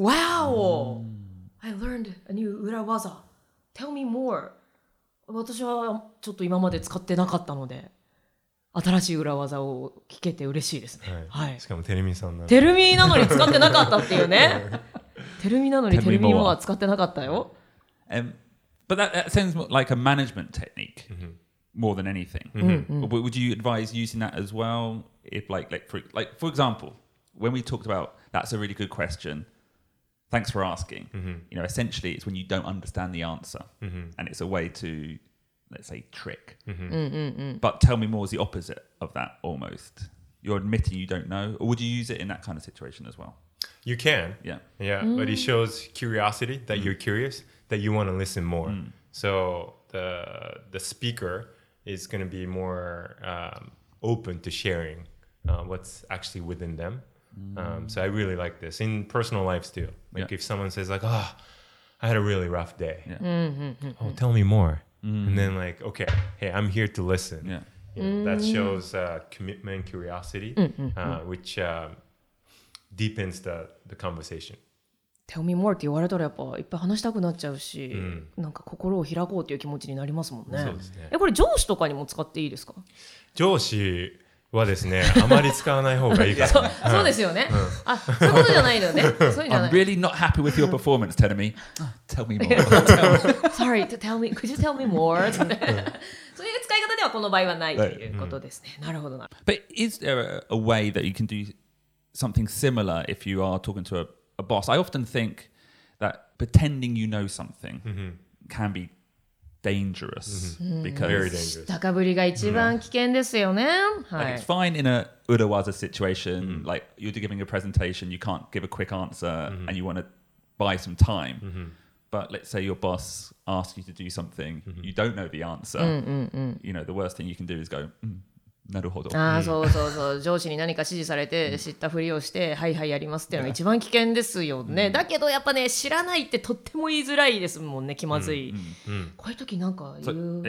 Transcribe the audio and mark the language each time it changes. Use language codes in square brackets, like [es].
[en] Wow! I learned a new 裏技。Tell me more. [ja] 私はちょっと今まで使ってなかったので、新しい裏技を聞けて嬉しいですね。しかもテルミさんなの。テルミなのに使ってなかったっていうね。テルミなのにテルミは使ってなかったよ。 [en] But that sounds more like a management technique. More than anything. Would you advise using that as well? If like for example, when we talked about that's a really good question, thanks for asking. You know, essentially it's when you don't understand the answer. And it's a way to, let's say, trick. But tell me more is the opposite of that almost. You're admitting you don't know. Or would you use it in that kind of situation as well? You can. Yeah. Yeah. But it shows curiosity that you're curious, that you want to listen more. So the speaker... is going to be more open to sharing what's actually within them. So I really like this in personal lives too. Like if someone says like, oh, I had a really rough day. Oh, tell me more. And then like, okay, hey, I'm here to listen. Yeah. You know, that shows commitment, curiosity, which deepens the conversation. Tell me more [ja] って言われたらやっぱいっぱい話したくなっちゃうし、うん、なんか心を開こうという気持ちになりますもんね。そうですね。え、これ上司とかにも使っていいですか？上司はですね、あまり使わない方がいいから、ね、そ, そうですよね、うん、あ、そういうことじゃないのね。 [en] I'm really not happy with your performance, Tell me Tell me more. Sorry, tell me, could you tell me more? [ja] そういう使い方ではこの場合はないということですね、うん、なるほどな。 [en] But is there a way that you can do something similar if you are talking to a boss? I often think that pretending you know something can be dangerous because very dangerous. 知 [ja] ったかぶりが一番危険ですよね。 [en] はい。 Like、it's fine in a urawaza situation, like you're giving a presentation, you can't give a quick answer and you want to buy some time. But let's say your boss asks you to do something, you don't know the answer. You know, the worst thing you can do is go, [ja] なるほど。ああ、そうそうそう。上司に何か指示されて知ったふりをして、はいはいやりますっていうのが一番危険ですよね。だけどやっぱね、知らないってとっても言いづらいですもんね、気まずい。こういう時なんか言う。